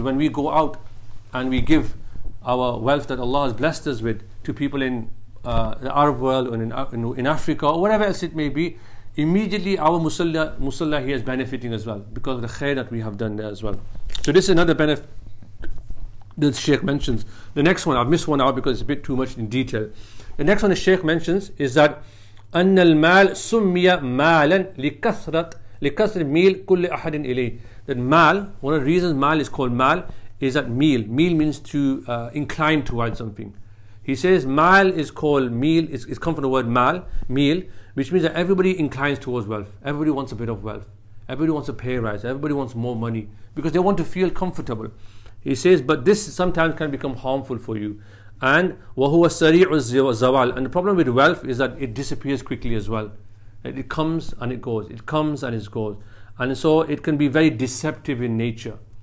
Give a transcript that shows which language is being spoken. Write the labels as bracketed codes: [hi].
[en] When we go out and we give our wealth that Allah has blessed us with to people in the Arab world or in Africa or whatever else it may be, immediately our musalla here is benefiting as well because of the khair that we have done there as well. So this is another benefit that Sheikh mentions. The next one, I've missed one out because it's a bit too much in detail. [ar] The next one the Sheikh mentions is that أَنَّ الْمَالِ سُمِّيَ مَالًا لِكَثْرَ مِيلْ كُلِّ أَحَدٍ إِلَيْهِ. [en] That mal, one of the reasons mal is called mal is that meal. Meal means to incline towards something. He says mal is called meal, it's come from the word mal, meal, which means that everybody inclines towards wealth. Everybody wants a bit of wealth. Everybody wants a pay rise. Everybody wants more money because they want to feel comfortable. He says, but this sometimes can become harmful for you. [ar] And وَهُوَ سَرِيعُ الزَّوَالِ. [en] And the problem with wealth is that it disappears quickly as well. It comes and it goes. It comes and it goes. And so it can be very deceptive in nature.